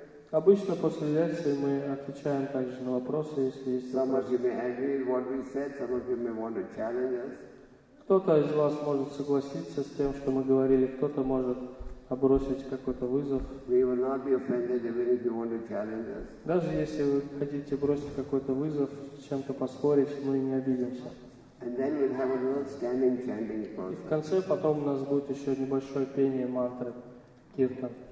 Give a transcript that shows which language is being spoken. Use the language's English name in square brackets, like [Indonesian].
[Russian] Обычно после лекции мы отвечаем также на вопросы, если есть вопросы. Кто-то из вас может согласиться с тем, что мы говорили, кто-то может а бросить какой-то вызов. [English] We will not be offended even if you want to challenge us. [Russian] Даже если вы хотите бросить какой-то вызов, чем-то поспорить, мы не обидимся. [English] And then we'll have a little standing chanting [Russian] process. И в конце потом у нас будет еще небольшое пение мантры киртан.